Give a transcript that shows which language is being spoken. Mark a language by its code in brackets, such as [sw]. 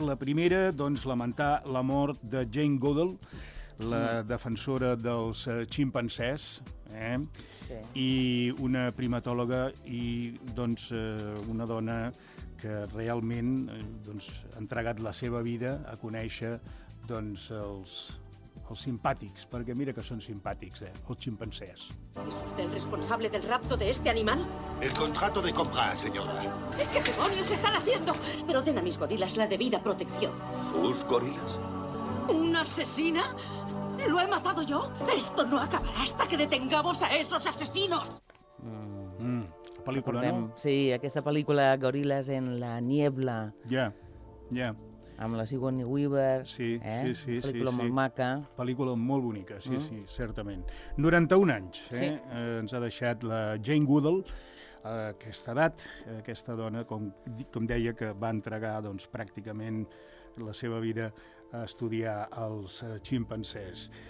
[ca] La primera, doncs, lamentar la mort de Jane Goodall, la defensora dels ximpancers, sí. I una primatòloga i, doncs, una dona que realment doncs, ha entregat la seva vida a conèixer doncs, els simpàtics, perquè mira que són simpàtics, els ximpancers. [es] ¿Es usted el responsable del rapto de este animal? El contrato de compra, señora. ¿Qué demonios están haciendo? Pero den a mis gorilas la debida protección. ¿Sus gorilas? ¿Una asesina? ¿Lo he matado yo? Esto no acabará hasta que detengamos a esos asesinos. La película, ¿no? [ca] Sí, aquesta pel·lícula, Gorilas en la niebla. Ja. Amb la Sigourney Weaver, pel·lícula molt maca. Pel·lícula molt bonica, sí, certament. 91 anys, ens ha deixat la Jane Goodall, aquesta edat, aquesta dona, com deia, que va entregar doncs, pràcticament la seva vida a estudiar els ximpancers.